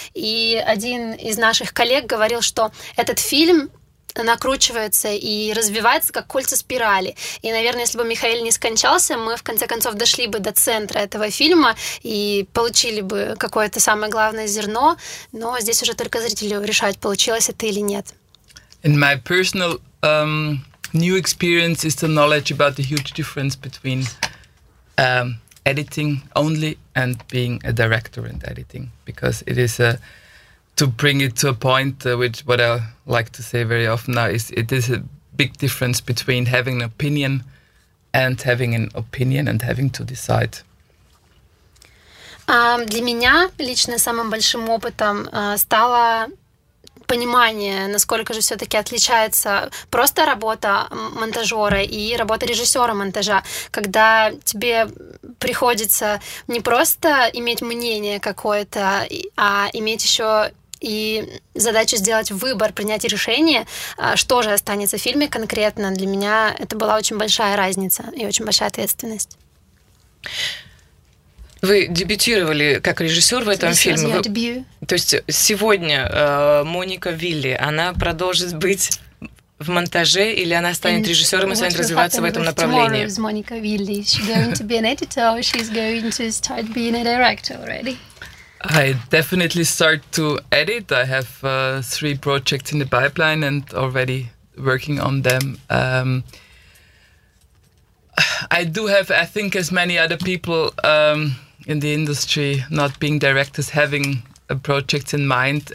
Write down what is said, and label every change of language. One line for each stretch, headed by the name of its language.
Russian: И один из наших коллег говорил, что этот фильм накручивается и развивается как кольца спирали. И, наверное, если бы Михаил не скончался, мы, в конце концов, дошли бы до центра этого фильма и получили бы какое-то самое главное зерно. Но здесь уже только зрителю решать, получилось это или нет.
English: And my personal new experience is the knowledge about the huge difference between editing only and being a director and editing. Because it is a to bring it to a point, which what I like to say very often now is, it is a big difference between having an opinion and having an opinion and having to decide.
Russian: Для меня лично самым большим опытом стало понимание, насколько же все-таки отличается просто работа монтажера и работа режиссера монтажа, когда тебе приходится не просто иметь мнение какое-то, а иметь еще и задача сделать выбор, принять решение, что же останется в фильме конкретно. Для меня это была очень большая разница и очень большая ответственность. Вы дебютировали как режиссер в этом фильме. Я дебью. То есть сегодня Моника Вилли, она продолжит быть в монтаже, или она станет режиссером и станет развиваться в этом направлении?
English: Tomorrow is Monica Vili. Is she going to be an editor or she's going to start being a director already? I definitely start to edit. I have 3 projects in the pipeline and already working on them. I do have, I think, as many other people in the industry, not being directors, having a project in mind.